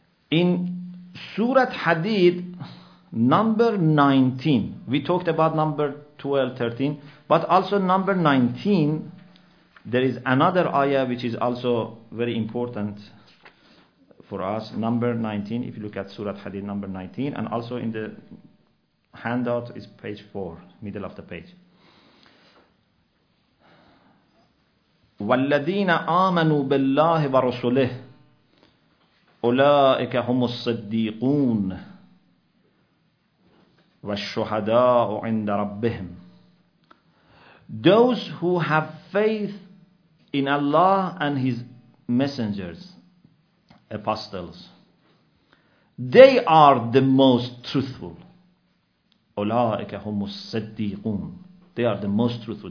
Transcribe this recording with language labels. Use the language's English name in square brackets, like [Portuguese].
[English] In Surah Hadid, number 19, we talked about number 12, 13, but also number 19, there is another ayah which is also very important for us. Number 19, if you look at Surah Hadid, number 19, and also in the handout is page 4, middle of the page. [Arabic] وَالَّذِينَ آمَنُوا بِاللَّهِ وَرُسُلِهِ أولئك هم الصديقون والشهداء عند ربهم. [English] Those who have faith in Allah and His messengers, apostles, they are the most truthful. [Arabic] أولئك هم الصديقون. [English] They are the most truthful.